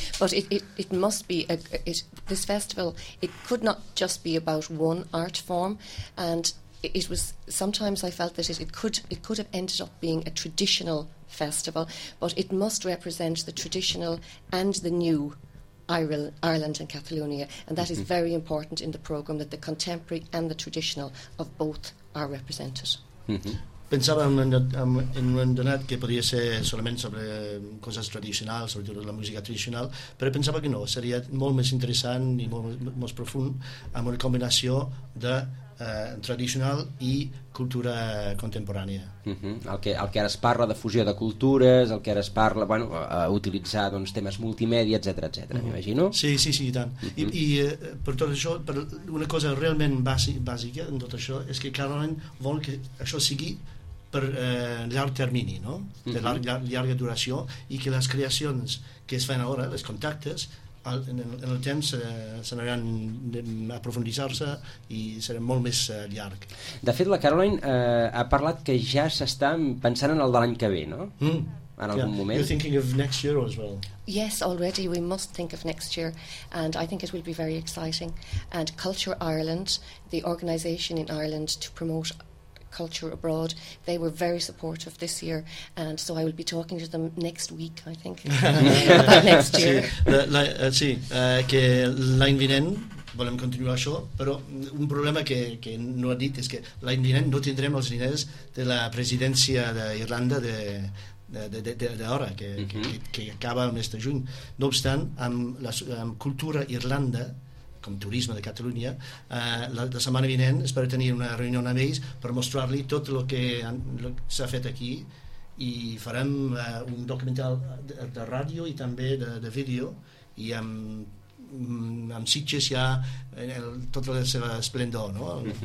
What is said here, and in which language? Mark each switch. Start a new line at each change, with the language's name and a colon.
English: But it must be, this festival, it could not just be about one art form, and it was, sometimes I felt that it could have ended up being a traditional festival, but it must represent the traditional and the new Ireland and Catalonia, and that is very important in the program, that the contemporary and the traditional of both are represented.
Catalan: Pensava en un donat que podria ser solament sobre coses tradicionals, sobretot la música tradicional, però pensava que no, seria molt més interessant i molt més profund amb una combinació de tradicional i cultura contemporània. El que ara es parla de fusió de cultures, el que ara es parla, bueno, a utilitzar doncs temes multimèdia, etc, etc, m'imagino. Sí, i tant. I per tot això, per una cosa realment bàsica en tot això és que clarament vol que això sigui per llarg termini, no? De llarga duració, i que les creacions que es fan ara, els contactes, en el temps s'aniran a aprofundir-se i serà molt més llarg. De fet, la Caroline ha parlat que ja s'està pensant en el de l'any que ve, no? En algun moment.
English: You're thinking of next year as well. Yes, already we must think of next year, and I think it will be very exciting. And Culture Ireland, the organization in Ireland to promote culture abroad, they were very supportive this year, and so I will be talking to them next week, I think, about next year.
Catalan: Sí, que l'any vinent volem continuar això, però un problema que no ha dit és que l'any vinent no tindrem els diners de la presidència d'Irlanda d'ara, que acaba el mes de juny. No obstant, amb Cultura Irlanda, com Turisme de Catalunya, la setmana vinent espero tenir una reunió amb ells per mostrar-li tot el que s'ha fet aquí, i farem un documental de ràdio i també de vídeo, i amb Sitges ja tota la seva esplendor, no?